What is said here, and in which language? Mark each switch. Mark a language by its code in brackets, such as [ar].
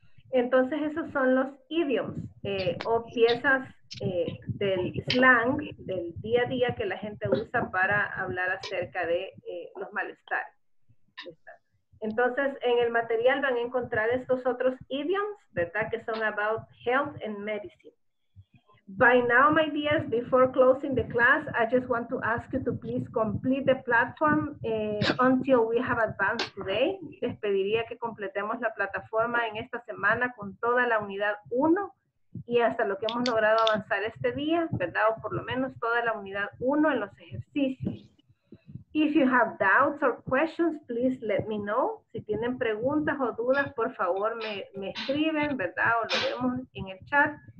[es] Entonces esos son los idioms o piezas del slang, del día a día que la gente usa para hablar acerca de los malestares. Entonces en el material van a encontrar estos otros idioms, ¿verdad? Que son [en] about health and medicine. By now, my dears, before closing the class, I just want to ask you to please complete the platform until we have advanced today. [es] Les pediría que completemos la plataforma en esta semana con toda la unidad 1 y hasta lo que hemos logrado avanzar este día, ¿verdad? O por lo menos toda la unidad 1 en los ejercicios. [en] If you have doubts or questions, please let me know. [es] Si tienen preguntas o dudas, por favor me escriben, ¿verdad? O lo vemos en el chat.